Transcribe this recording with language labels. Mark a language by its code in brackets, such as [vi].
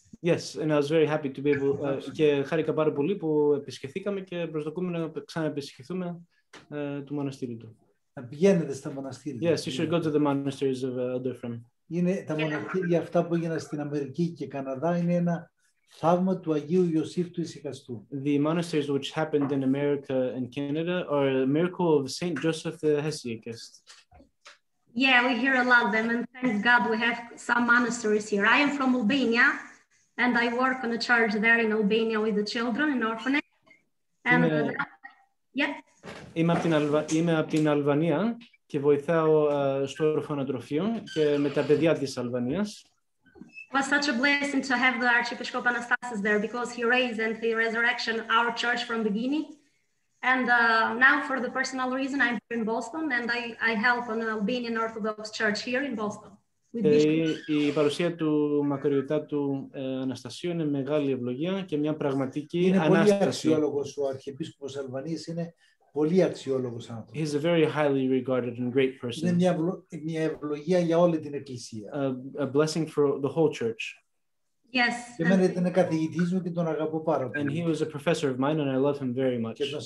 [en] Yes, and I was very happy to be able, [el] και χάρηκα πάρα πολύ που επισκεφθήκαμε και προσδοκούμε να ξαναεπισκεφθούμε το μοναστήρι του. Να πηγαίνετε στα μοναστήρια. [en] Yes, you should go to the monasteries of Elder Ephraim. [el] Είναι τα μοναστήρια αυτά που έγιναν στην Αμερική και Καναδά είναι ένα θαύμα του Αγίου Ιωσήφ του Ησυχαστού. [en] The monasteries which happened in America and Canada are a miracle of Saint Joseph the Hesychast. Yeah, we hear a lot of them, and thank God we have some monasteries here. I am from Albania, and I work on a church there in Albania with the children in orphanage. And [el] Είμαι από την Αλβανία και βοηθάω στο ορφανοτροφείο και με τα παιδιά της Αλβανίας. [en] It was such a blessing to have the Archbishop Anastasis there because he raised and he resurrected our church from the beginning. And now for the personal reason I'm here in Boston and I help an Albanian Orthodox church here in Boston. [el] Η παρουσία του μακαριωτάτου Αναστασίου είναι μεγάλη ευλογία και μια πραγματική ανάσταση. Είναι πολύ αξιόλογος ο Αρχιεπίσκοπος Αλβανίας, είναι πολύ αξιόλογος άνθρωπος. [en] He's a very highly regarded and great person. [el] Είναι μια ευλογία για όλη την Εκκλησία. [en] A blessing for the whole church. Yes. And he was a professor of mine, and I love him very much.